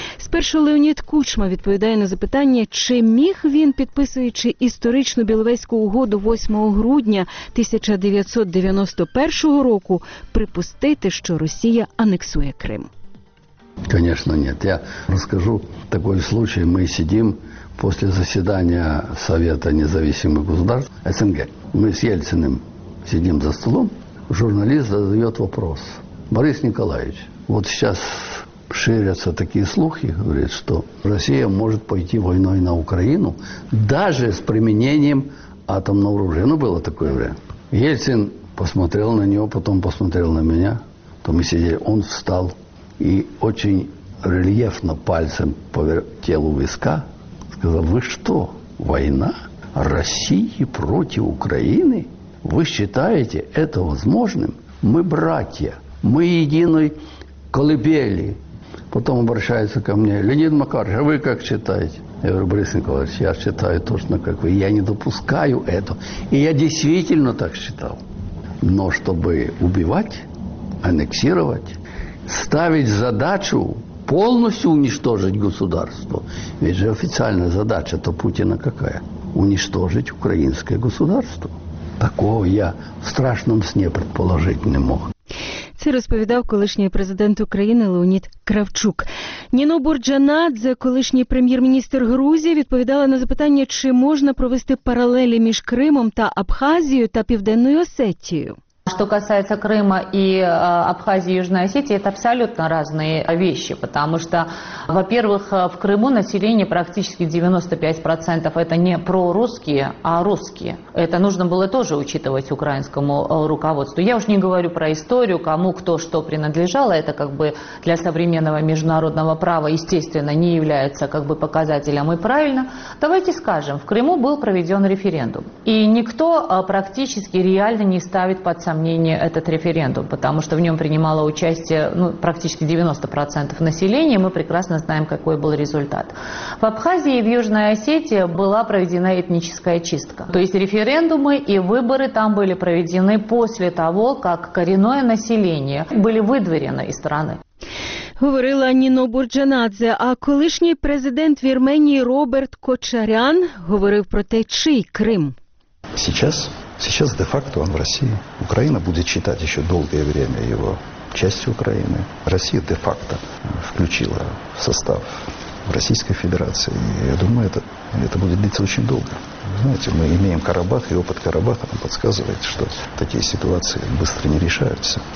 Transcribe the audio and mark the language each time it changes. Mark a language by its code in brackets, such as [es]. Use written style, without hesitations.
[uk] Спершу Леонід Кучма відповідає на запитання, чи міг він, підписуючи історичну Біловезьку угоду 8 грудня 1991 року, припустити, що Росія анексує Крим? Звісно, ні. Я розкажу такий випадок. Ми сидимо після засідання Совету Незалежних Государств СНГ. Ми з Єльциним сидимо за столом. Журналіст задає вопрос. [ru] Борис Николаевич, от зараз ширятся такие слухи, говорит, что Россия может пойти войной на Украину даже с применением атомного оружия. Ну, было такое время. Ельцин посмотрел на него, потом посмотрел на меня. То мы сидели, он встал и очень рельефно пальцем по телу виска сказал, вы что, война России против Украины? Вы считаете это возможным? Мы братья, мы единой колыбели. Потом обращается ко мне, Леонид Макарович, а вы как считаете? Я говорю, Борис Николаевич, я считаю точно, как вы. Я не допускаю это. И я действительно так считал. Но чтобы убивать, аннексировать, ставить задачу полностью уничтожить государство, ведь же официальная задача-то Путина какая? Уничтожить украинское государство. Такого я в страшном сне предположить не мог. [uk] Це розповідав колишній президент України Леонід Кравчук. Ніно Бурджанадзе, колишній прем'єр-міністр Грузії, відповідала на запитання, чи можна провести паралелі між Кримом та Абхазією та Південною Осетією. [ru] Что касается Крыма и Абхазии, Южной Осетии, это абсолютно разные вещи, потому что, во-первых, в Крыму население практически 95% это не прорусские, а русские. Это нужно было тоже учитывать украинскому руководству. Я уж не говорю про историю, кому кто что принадлежало, это как бы для современного международного права, естественно, не является как бы показателем и правильно. Давайте скажем, в Крыму был проведен референдум, и никто практически реально не ставит под сомнение этот референдум, потому что в нем принимало участие практически 90% населения, мы прекрасно знаем, какой был результат. В Абхазии и в Южной Осетии была проведена этническая чистка. То есть референдумы и выборы там были проведены после того, как коренное население были выдворены из страны. [uk] Говорила Ніно Бурджанадзе, а колишній президент Вірменії Роберт Кочарян говорив про те, чий Крим. [ru] Сейчас де-факто он в России. Украина будет считать еще долгое время его частью Украины. Россия де-факто включила в состав Российской Федерации. И я думаю, это будет длиться очень долго. Вы знаете, мы имеем Карабах, и опыт Карабаха нам подсказывает, что такие ситуации быстро не решаются.